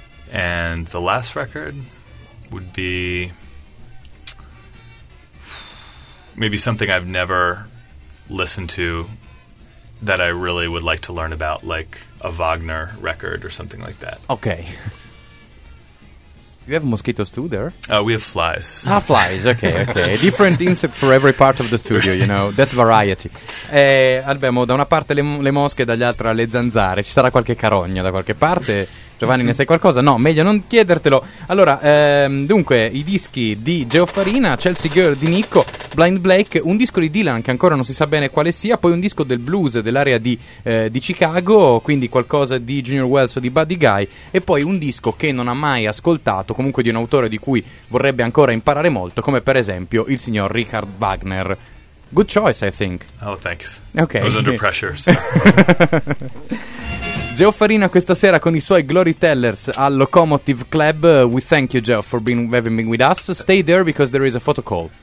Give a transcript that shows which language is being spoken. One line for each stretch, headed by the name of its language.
English: And the last record would be maybe something I've never listened to that I really would like to learn about, like a Wagner record or something like that. Okay. You have mosquitoes too there? We have flies. Ah, flies. Okay, okay. Different insect for every part of the studio, you know. That's variety.
Italian: Abbiamo da una parte le mosche e dall'altra le zanzare. Ci sarà qualche carogna da qualche parte. Giovanni, ne sai qualcosa? No, meglio non chiedertelo. Allora, dunque, i dischi di Geofarina, Chelsea Girl di Nyko, Blind Blake, un disco di Dylan che ancora non si sa bene quale sia, poi un disco del blues dell'area di Chicago, quindi qualcosa di Junior Wells o di Buddy Guy, e poi un disco che non ha mai ascoltato, comunque di un autore di cui vorrebbe ancora imparare molto, come per esempio il signor Richard Wagner.
English: Good choice, I think. Oh, thanks. Okay. I was under pressure, so.
Italian: Geo Farina questa sera con i suoi Glory Tellers al Locomotive Club.
English: We thank you, Geo, for having been with us. Stay there because there is a photo call.